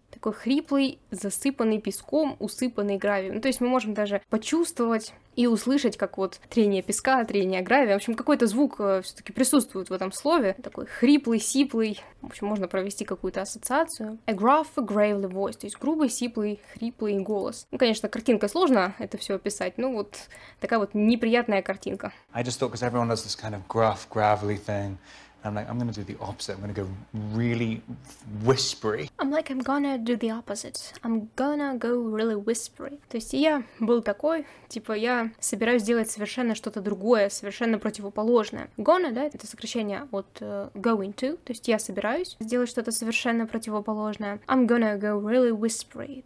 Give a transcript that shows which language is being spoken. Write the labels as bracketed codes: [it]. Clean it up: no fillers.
[ru] такой хриплый, засыпанный песком, усыпанный гравием. Ну, то есть мы можем даже почувствовать и услышать, как вот трение песка, трение гравия. В общем, какой-то звук все-таки присутствует в этом слове. Такой хриплый, сиплый. В общем, можно провести какую-то ассоциацию. [en] A gruff, gravelly voice. [ru] То есть грубый, сиплый, хриплый голос. Ну, конечно, картинка сложно это все описать. Ну, вот такая вот неприятная картинка. [en] I just thought, because everyone does this kind of gruff, gravelly thing. I'm like, I'm gonna do the opposite. I'm gonna go really whispery. I'm like, I'm gonna do the opposite. I'm gonna go really whispery. [ru] То есть я был такой, типа я собираюсь делать совершенно что-то другое, совершенно противоположное. Gonna, да, это сокращение от [en] going to. [ru] То есть я собираюсь сделать что-то совершенно противоположное. [en] I'm gonna go really whispery.